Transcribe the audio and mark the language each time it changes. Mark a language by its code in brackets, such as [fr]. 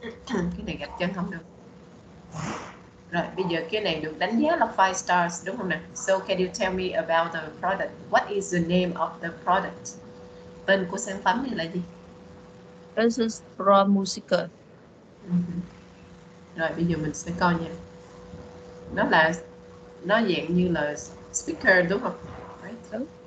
[vi] Cái này gạch chân không được. Rồi bây giờ cái này được đánh giá là 5 stars đúng không nè? [en] So can you tell me about the product? What is the name of the product? [vi] Tên của sản phẩm này là gì? [en] This is from Musica. [vi] Rồi bây giờ mình sẽ coi nha. Nó là nó dạng như là speaker đúng không? [en] Right.